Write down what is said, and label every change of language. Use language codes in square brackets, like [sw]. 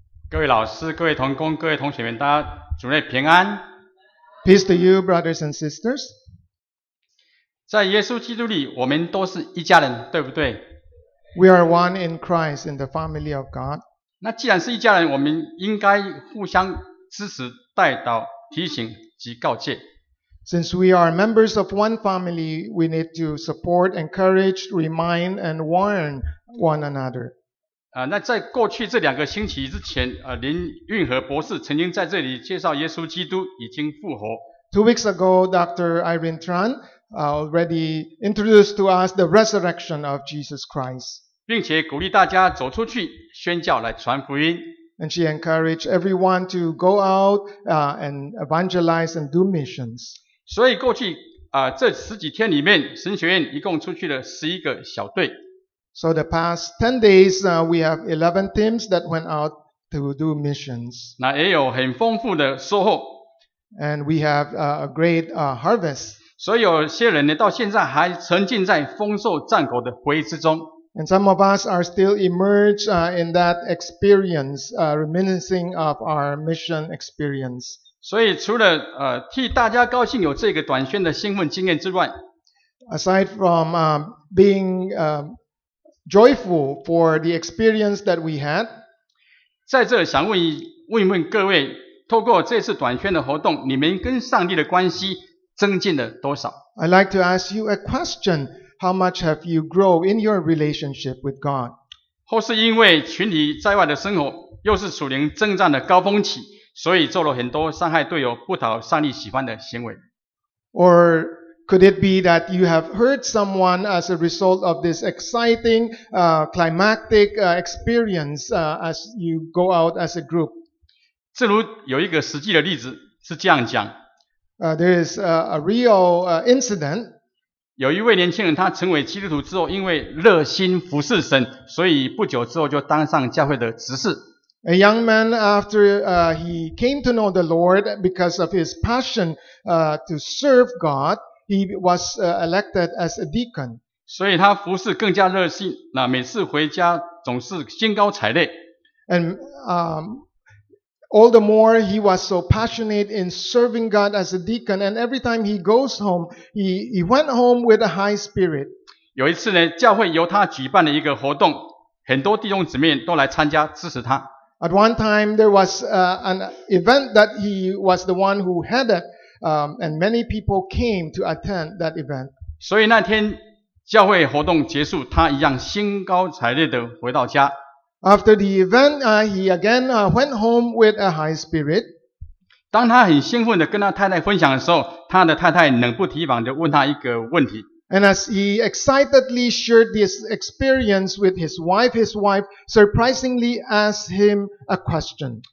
[zh] 各位老师、各位同工、各位同学们，大家主内平安。 [en] Peace to you, brothers and sisters. [zh] 在耶稣基督里，我们都是一家人，对不对 [en] ？We are one in Christ in the family of God. [zh] 那既然是一家人，我们应该互相支持、带导、提醒及告诫。 [en] Since we are members of one family, we need to support, encourage, remind, and warn one another. [zh] 那在过去这两个星期之前，林运和博士曾经在这里介绍耶稣基督已经复活。 [en] Two weeks ago, Dr. Irene Tran already introduced to us the resurrection of Jesus Christ. [zh] 并且鼓励大家走出去宣教来传福音。 [en] And she encouraged everyone to go out and evangelize and do missions. [zh] 所以过去这十几天里面，神学院一共出去了11个小队。 [en] So the past 10 days, we have 11 teams that went out to do missions. [zh] 那也有很丰富的收获。 [en] And we have a great harvest. [zh] 所以有些人呢，到现在还沉浸在丰收战果的回忆之中。 [en] And some of us are still immersed in that experience, reminiscing of our mission experience. [zh] 所以除了替大家高兴有这个短宣的兴奋经验之外 [en] ，aside from being joyful for the experience that we had. [zh] 在这想问问各位，透过这次短宣的活动，你们跟上帝的关系增进了多少 [en] ？I'd like to ask you a question. How much have you grown in your relationship with God? [zh] 或是因为群体在外的生活，又是属灵征战的高峰期，所以做了很多伤害队友、不讨上帝喜欢的行为 [en] ？Or could it be that you have hurt someone as a result of this exciting, climactic experience as you go out as a group? [zh] 正如有一个实际的例子是这样讲。 [en] There is a real incident. [zh] 有一位年轻人，他成为基督徒之后，因为热心服侍神，所以不久之后就当上教会的执事。 [en] A young man, after he came to know the Lord because of his passion to serve God. He was elected as a deacon. [zh] 所以他服事更加热心，那每次回家总是兴高采烈。 [en] And all the more he was so passionate in serving God as a deacon. And every time he goes home, he went home with a high spirit. [zh] 有一次呢，教会由他举办了一个活动，很多弟兄姊妹都来参加支持他。 [en] At one time there was an event that he was the one who headed. And many people came to attend that event. [zh] 所以那天教会活动结束，他一样兴高采烈地回到家。 [en] After the event, he again went home with a high spirit. [zh] 当他很兴奋地跟他太太分享的时候，他的太太冷不提防地问他一个问题。 [en] And as he excitedly shared this experience with his wife surprisingly asked him a question.